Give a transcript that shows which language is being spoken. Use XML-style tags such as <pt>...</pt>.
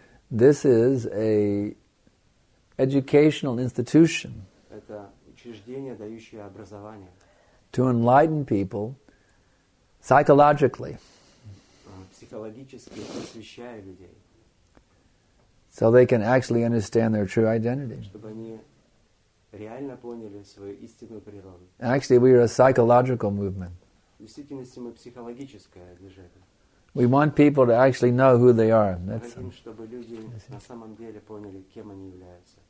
<en>This is a educational institution.</en> <ru>Это учреждение, дающее образование.</ru> <en>To enlighten people psychologically.</en> <ru>Психологически просвещая людей.</ru> <en>So they can actually understand their true identity.</en> <ru>Чтобы они реально поняли свою истинную природу.</ru> <en>Actually, we are a psychological movement.</en> <ru>В действительности мы психологическое движение.</ru> <en>We want people to actually know who they are. That's</en> <ru>мы хотим, чтобы люди на самом деле поняли, кем они являются.</ru>